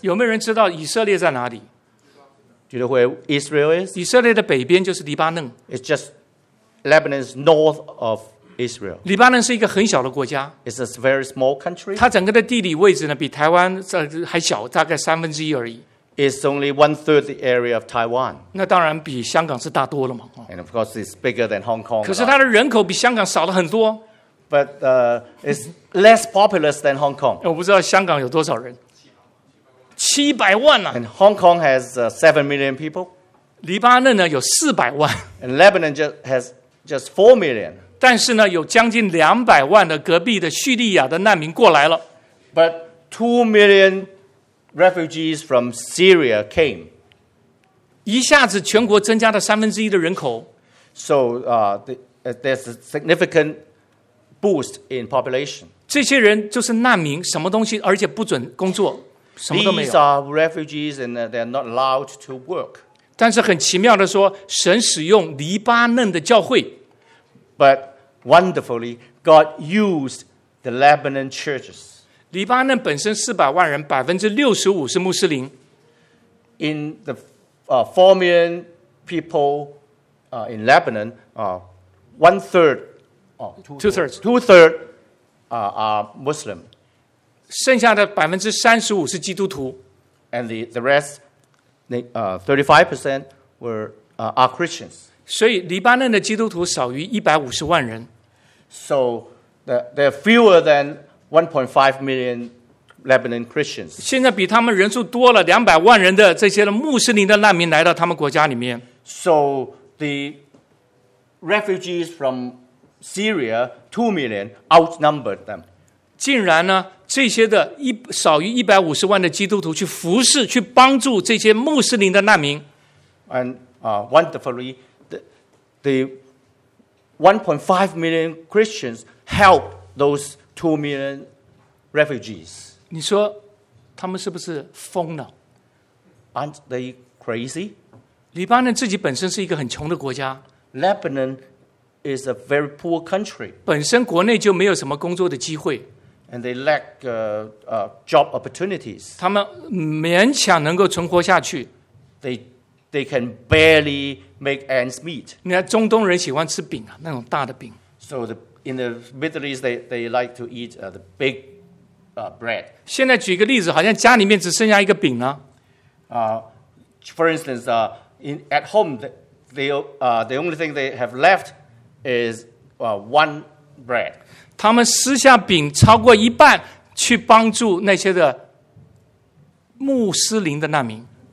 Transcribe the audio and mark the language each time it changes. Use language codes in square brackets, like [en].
[zh] 有没有人知道以色列在哪里？ [en] Do you know where Israel is? [zh] 以色列的北边就是黎巴嫩。 [en] It's just Lebanon's north of Israel. [zh] 黎巴嫩是一个很小的国家。 [en] It's a very small country. [zh] 它整个的地理位置呢比台湾还小，大概三分之一而已。 [en] It's only one third the area of Taiwan. [zh] 那当然比香港是大多了嘛。 [en] And of course, it's bigger than Hong Kong. [zh] 可是它的人口比香港少了很多。 [en] But it's less populous than Hong Kong. [zh] 我不知道香港有多少人。 700万啊。 [en] And Hong Kong has 7 million people. [zh] 黎巴嫩呢有400万。 [en] And Lebanon has just 4 million. [zh] 但是呢，有将近200万的隔壁的叙利亚的难民过来了。 [en] But 2 million. Refugees from Syria came. [zh] 一下子全国增加了三分之一的人口。 [en] So, there's a significant boost in population. [zh] 这些人就是难民，什么东西，而且不准工作，什么都没有。 [en] These are refugees and they're not allowed to work. [zh] 但是很奇妙的说，神使用黎巴嫩的教会。 [en] But wonderfully, God used the Lebanon churches. [zh] 黎巴嫩本身400万人，65%是穆斯林。 [en] In the 4 million people in Lebanon, two thirds are Muslim. [zh] 剩下的35%是基督徒。 [en] And the rest, the 35% were are Christians. [zh] 所以黎巴嫩的基督徒少于150万人。 [en] So they're fewer than 1.5 million Lebanon Christians. [zh] 现在比他们人数多了200万人的这些穆斯林的难民来到他们国家里面。 [en] So the refugees from Syria, 2 million, outnumbered them. [zh] 竟然呢，这些的少于150万的基督徒去服侍、去帮助这些穆斯林的难民。 [en] And wonderfully, the 1.5 million Christians help those. 2 million refugees. [zh] 你说他们是不是疯了？ [en] Aren't they crazy? [zh] 黎巴嫩自己本身是一个很穷的国家。 [en] Lebanon is a very poor country. [zh] 本身国内就没有什么工作的机会。 [en] And they lack job opportunities. [zh] 他们勉强能够存活下去。 [en] They can barely make ends meet. [zh] 你看中东人喜欢吃饼啊，那种大的饼。 [en] So the In the Middle East, they like to eat the big bread. [zh] 现在举个例子，好像家里面只剩下一个饼了。 [en] For instance, at home, the only thing they have left is one bread. [zh] 他们撕下饼超过一半去帮助那些的穆斯林的难民。